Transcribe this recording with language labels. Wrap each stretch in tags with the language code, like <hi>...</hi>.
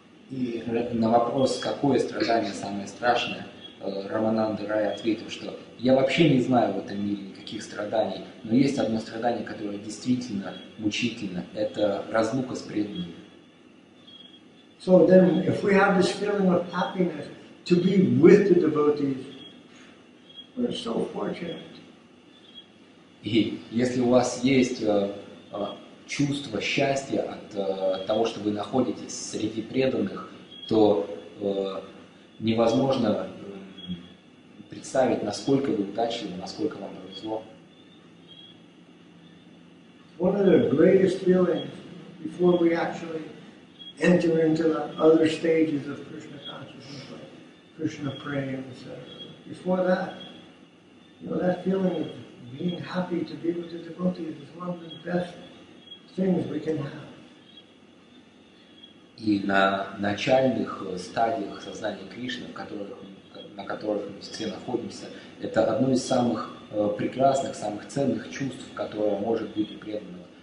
<ru>И на вопрос, какое страдание самое страшное, Рамананда Рай ответил, что я вообще не знаю в этом мире никаких страданий, но есть одно страдание, которое действительно мучительно. Это разлука с преданными.</ru> <en>So then, if we have this feeling of happiness to be with the devotees, we're so fortunate.</en> <ru>И если у вас есть чувство счастья от того, что вы находитесь среди преданных, то невозможно представить, насколько вы удачливы, насколько вам повезло.</ru> <en>One of the greatest feelings before we actually enter into the other stages of Krishna consciousness, like Krishna praying, etc. Before that, you know, that feeling of being happy to be with the devotees is one of the best things we can have.</en> <ru>И на начальных стадиях сознания Кришны, на которых мы все находимся, это одно из самых прекрасных, самых ценных чувств, которое может быть у преданного.</ru>